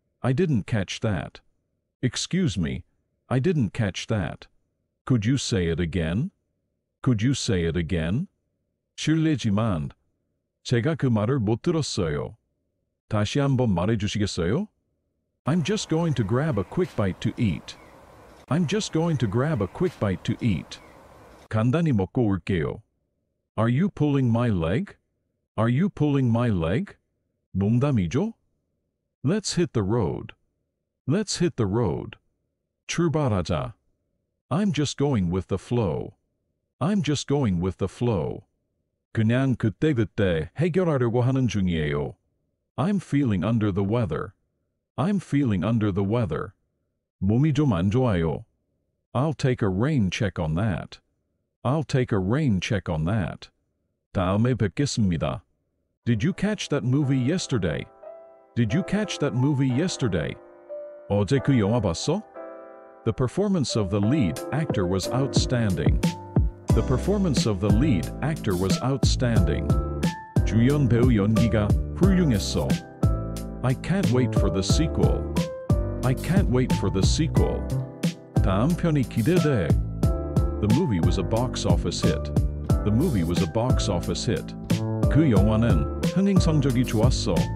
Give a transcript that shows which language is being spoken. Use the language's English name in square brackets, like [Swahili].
[English] I didn't catch that. Excuse me. I didn't catch that. Could you say it again? Could you say it again? [Korean] 실례지만 제가 그 말을 못 들었어요. 다시 한번 말해 주시겠어요? [English] I'm just going to grab a quick bite to eat. I'm just going to grab a quick bite to eat. [Korean] 간단히 먹고 올게요. [English] Are you pulling my leg? Are you pulling my leg? [Korean] 농담이죠? [English] Let's hit the road. Let's hit the road. [Korean] 출발하자. [English] I'm just going with the flow. I'm just going with the flow. [Korean] 그냥 그때그때 해결하려고 하는 중이에요. [English] I'm feeling under the weather. I'm feeling under the weather. [Korean] 몸이 좀 안 좋아요. [English] I'll take a rain check on that. I'll take a rain check on that. [Korean] 다음에 뵙겠습니다. [English] Did you catch that movie yesterday? Did you catch that movie yesterday? [Korean] 어제 그 영화 봤어? [English] The performance of the lead actor was outstanding. The performance of the lead actor was outstanding. [Korean] 주연 배우 연기가 훌륭했어. [English] I can't wait for the sequel. I can't wait for the sequel. [Korean] 다음 편이 기대돼. [English] The movie was a box office hit. The movie was a box office hit. [Korean] 그 영화는 흥행 성적이 좋았어.